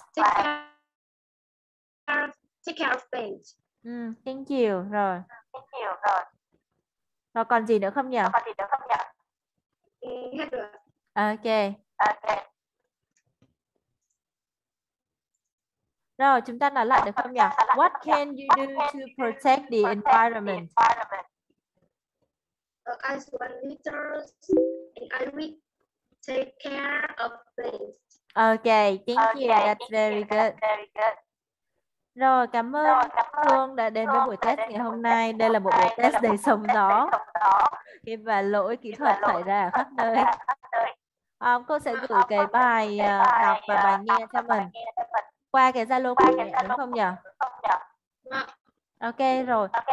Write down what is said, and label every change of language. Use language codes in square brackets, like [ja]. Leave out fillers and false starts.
[en] Take care of things. Thank you. Rồi. Thank you. Rồi. [vi] Rồi còn gì nữa không nhỉ? Còn gì nữa không nhỉ? Hết rồi. Ok. Ok. Rồi, chúng ta nói lại được không nhỉ? [en] What can you do to protect the environment? I swim meters and I will take care of things. Okay, thank you. that's thank very you. good. That's very good. [vi] Rồi, cảm ơn Hương đã đến với buổi test ngày hôm nay. Đây là một buổi test đầy sóng gió. Khi và lỗi kỹ thuật xảy ra ở khắp nơi. Cô sẽ gửi cái bài đọc và bài nghe cho mình qua cái Zalo của mình đúng không nhỉ? Ok rồi.